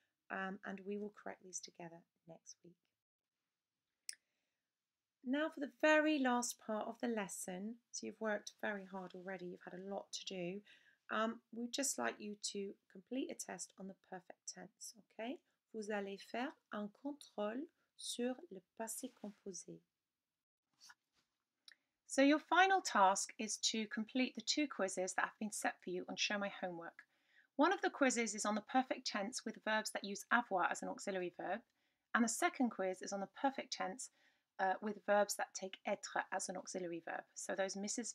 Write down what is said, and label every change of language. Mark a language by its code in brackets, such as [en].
[en] And we will correct these together next week. Now for the very last part of the lesson. So you've worked very hard already, you've had a lot to do. We'd just like you to complete a test on the perfect tense, okay? [fr] Vous allez faire un contrôle sur le passé composé. [en] So your final task is to complete the 2 quizzes that have been set for you on Show My Homework. One of the quizzes is on the perfect tense with verbs that use avoir as an auxiliary verb, and the second quiz is on the perfect tense with verbs that take être as an auxiliary verb, so those Mrs.